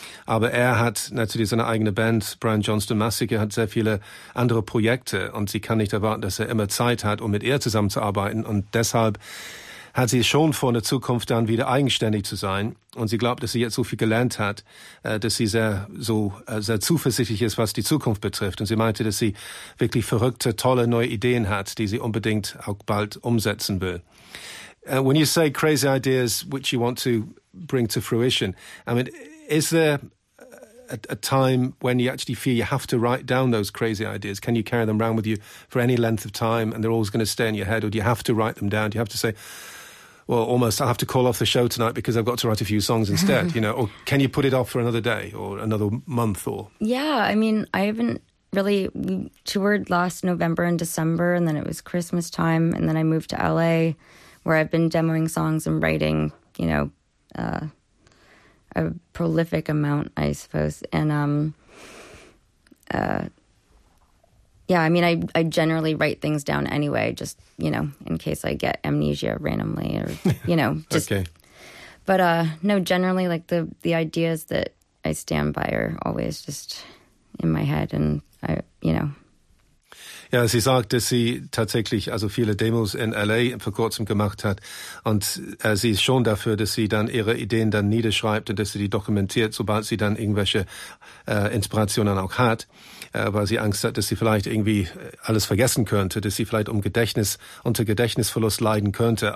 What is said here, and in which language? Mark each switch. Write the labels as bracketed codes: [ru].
[de] Aber er hat natürlich seine eigene Band, Brian Johnston Massacre, hat sehr viele andere Projekte. Und sie kann nicht erwarten, dass er immer Zeit hat, um mit ihr zusammenzuarbeiten. Und deshalb hat sie schon vor der Zukunft dann wieder eigenständig zu sein. Und sie glaubt, dass sie jetzt so viel gelernt hat, dass sie sehr zuversichtlich ist, was die Zukunft betrifft. Und sie meinte, dass sie wirklich verrückte, tolle neue Ideen hat, die sie unbedingt auch bald umsetzen will. [en] When you say crazy ideas, which you want to bring to fruition, I mean, is there a time when you actually feel you have to write down those crazy ideas? Can you carry them around with you for any length of time and they're always going to stay in your head, or do you have to write them down? Do you have to say, well, almost, I have to call off the show tonight because I've got to write a few songs instead, you know, or can you put it off for another day or another month? Or yeah, I mean, I haven't really, we toured last November and December, and then it was Christmas time, and then I moved to LA where I've been demoing songs and writing, you know, a prolific amount, I suppose. And I mean, I generally write things down anyway, just, you know, in case I get amnesia randomly or, you know. Just, okay. But no, generally, like, the ideas that I stand by are always just in my head, and I, you know. [de] Ja, sie sagt, dass sie tatsächlich also viele Demos in L.A. vor kurzem gemacht hat, und sie ist schon dafür, dass sie dann ihre Ideen dann niederschreibt und dass sie die dokumentiert, sobald sie dann irgendwelche Inspirationen auch hat, weil sie Angst hat, dass sie vielleicht irgendwie alles vergessen könnte, dass sie vielleicht unter Gedächtnisverlust leiden könnte.